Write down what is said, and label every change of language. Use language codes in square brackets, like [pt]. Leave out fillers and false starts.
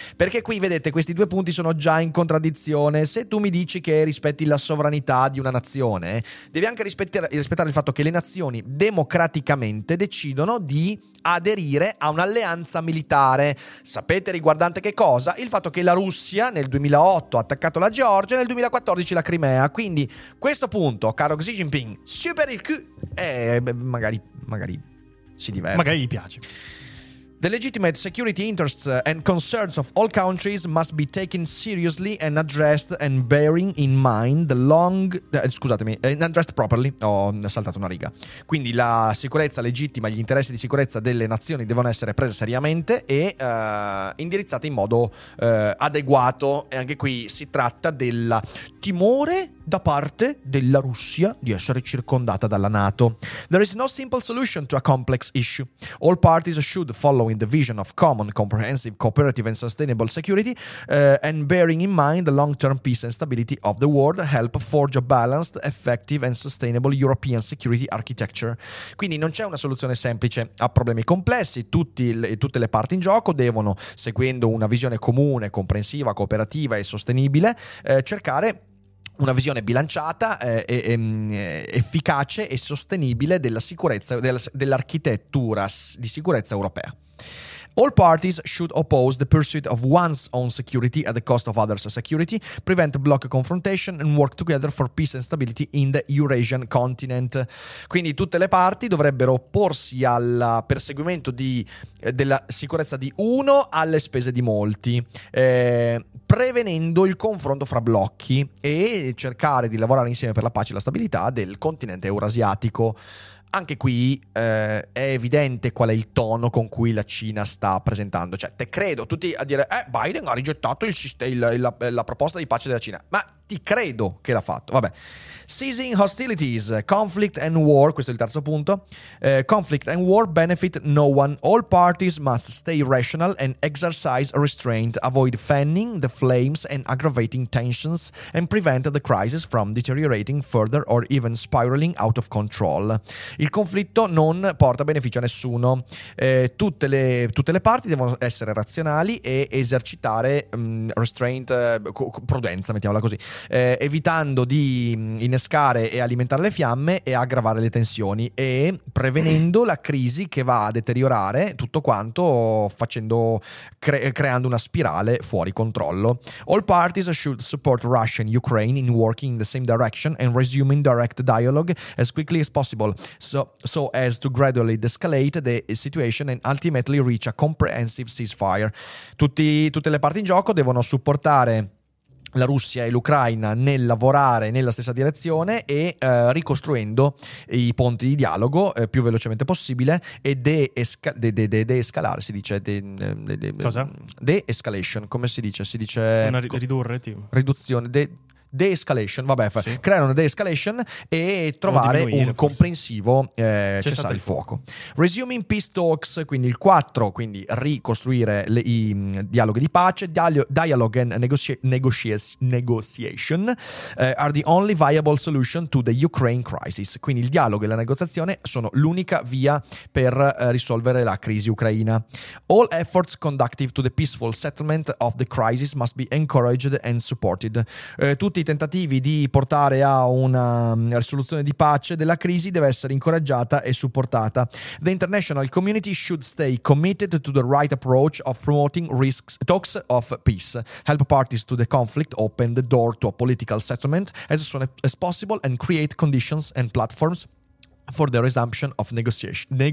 [it] Perché qui, vedete, questi due punti sono già in contraddizione. Se tu mi dici che rispetti la sovranità di una nazione, devi anche rispettare il fatto che le nazioni democraticamente decidono di aderire a un'alleanza militare. Sapete riguardante che cosa? Il fatto che la Russia nel 2008 ha attaccato la Georgia e nel 2014 la Crimea. Quindi questo punto, caro Xi Jinping, super il Q, magari si diverte. Magari gli piace. [en] The legitimate security interests and concerns of all countries must be taken seriously and addressed and bearing in mind the long... [it] scusatemi, [en] addressed properly. [it] Ho saltato una riga. Quindi la sicurezza legittima, gli interessi di sicurezza delle nazioni devono essere prese seriamente e indirizzate in modo adeguato. E anche qui si tratta del timore da parte della Russia di essere circondata dalla NATO. [en] There is no simple solution to a complex issue. All parties should follow in the vision of common, comprehensive, cooperative and sustainable security and bearing in mind the long-term peace and stability of the world help forge a balanced, effective and sustainable European security architecture. [it] Quindi non c'è una soluzione semplice a problemi complessi. Tutte le parti in gioco devono, seguendo una visione comune, comprensiva, cooperativa e sostenibile, cercare una visione bilanciata, efficace e sostenibile della sicurezza, dell'architettura di sicurezza europea. [en] All parties should oppose the pursuit of one's own security at the cost of others' security, prevent block confrontation and work together for peace and stability in the Eurasian continent. [it] Quindi tutte le parti dovrebbero opporsi al perseguimento della sicurezza di uno alle spese di molti, prevenendo il confronto fra blocchi e cercare di lavorare insieme per la pace e la stabilità del continente eurasiatico. Anche qui è evidente qual è il tono con cui la Cina sta presentando. Cioè, te credo, tutti a dire Biden ha rigettato la proposta di pace della Cina. Ma ti credo che l'ha fatto. Vabbè. [en] Ceasing hostilities, conflict and war, [it] questo è il terzo punto. [en] Conflict and war benefit no one. All parties must stay rational and exercise restraint, avoid fanning the flames and aggravating tensions and prevent the crisis from deteriorating further or even spiraling out of control. [it] Il conflitto non porta beneficio a nessuno. Tutte le parti devono essere razionali e esercitare restraint, prudenza, mettiamola così, evitando di innescare e alimentare le fiamme e aggravare le tensioni e prevenendo la crisi che va a deteriorare tutto quanto, creando una spirale fuori controllo. [en] All parties should support Russia and Ukraine in working in the same direction and resuming direct dialogue as quickly as possible so as to gradually de-escalate the situation and ultimately reach a comprehensive ceasefire. [it] Tutte le parti in gioco devono supportare la Russia e l'Ucraina nel lavorare nella stessa direzione e ricostruendo i ponti di dialogo più velocemente possibile e de-escalare, si dice cosa? De-escalation, come si dice? Si dice ridurre, tipo. Riduzione, de-escalation, vabbè, sì. Creare una de-escalation e trovare un forse comprensivo cessare il fuoco. [en] Resuming peace talks, [it] quindi il 4, quindi ricostruire i dialoghi di pace, [en] dialogue and negotiation are the only viable solution to the Ukraine crisis. [it] Quindi il dialogo e la negoziazione sono l'unica via per risolvere la crisi ucraina. [en] All efforts conducive to the peaceful settlement of the crisis must be encouraged and supported. [it] Tutti i tentativi di portare a una risoluzione di pace della crisi deve essere incoraggiata e supportata. [en] The international community should stay committed to the right approach of promoting risks, talks of peace. Help parties to the conflict open the door to a political settlement as soon as possible and create conditions and platforms for the resumption of negotiation.